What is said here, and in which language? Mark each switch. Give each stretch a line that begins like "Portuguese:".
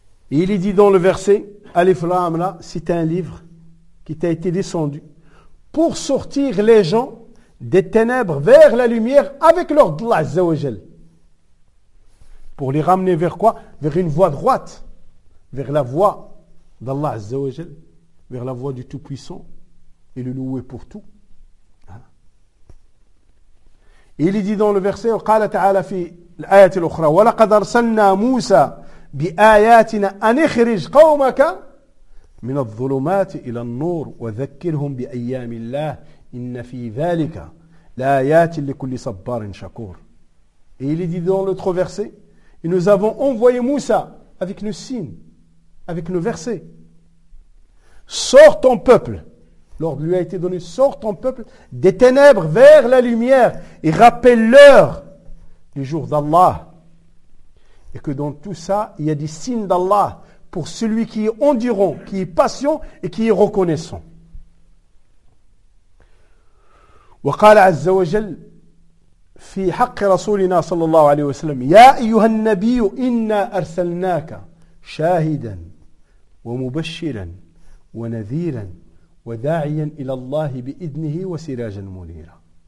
French: Et il est dit dans le verset, Alif Lam La, c'est un livre qui t'a été descendu pour sortir les gens des ténèbres vers la lumière avec leur Allah Azza wa Jal. Pour les ramener vers quoi? Vers une voie droite, vers la voie d'Allah Azza wa Jal, vers la voie du Tout-Puissant et le loué pour tout. Et il dit dans le verset
Arabic: قال تعالى في الآية الأخرى ولقد أرسلنا موسى بآياتنا أن يخرج قومك من الظلمات إلى النور وذكرهم بأيام الله إن في ذلك لآيات لكل صبار شكور.
French: Et il est dit dans l'autre verset, et nous avons envoyé Moussa avec nos signes, avec nos versets. Sors ton peuple, l'ordre lui a été donné, sors ton peuple des ténèbres vers la lumière et rappelle-leur les jours d'Allah. Et que dans tout ça, il y a des signes d'Allah pour celui qui est endurant, qui est patient et qui est reconnaissant.
Arabic: وقال عز وجل في حق رسولنا صلى الله عليه وسلم: يا أيها النبي إنا أرسلناك شاهدا ومبشرا ونذيرا وداعيا إلى الله بإذنه وسراجا منيرا.